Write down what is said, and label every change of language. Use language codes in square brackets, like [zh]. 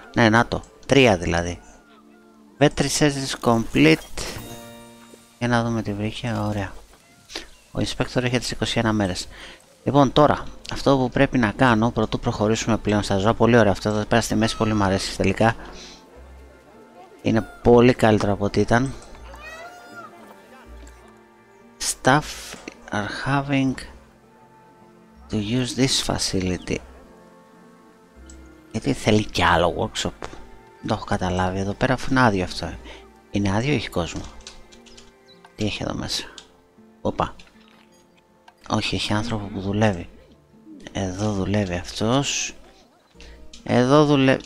[el] Ναι, να το, 3 δηλαδή. [en] Bet resources complete. [el] Για να δούμε τι βρήκε. Ωραία. Ο Inspector έχει τις 21 μέρες. Λοιπόν, τώρα, αυτό που πρέπει να κάνω πρωτού προχωρήσουμε πλέον στα ζώα. Πολύ ωραία αυτό εδώ πέρα στη μέση, πολύ μου αρέσει τελικά. Είναι πολύ καλύτερο από ό,τι ήταν. [en] Staff are having to use this facility. [el] Γιατί θέλει και άλλο workshop? Δεν το έχω καταλάβει εδώ πέρα, αφού είναι άδειο αυτό. Είναι άδειο, έχει κόσμο. Τι έχει εδώ μέσα? Οπα. Όχι, έχει άνθρωπο που δουλεύει. Εδώ δουλεύει αυτός. Εδώ δουλεύει.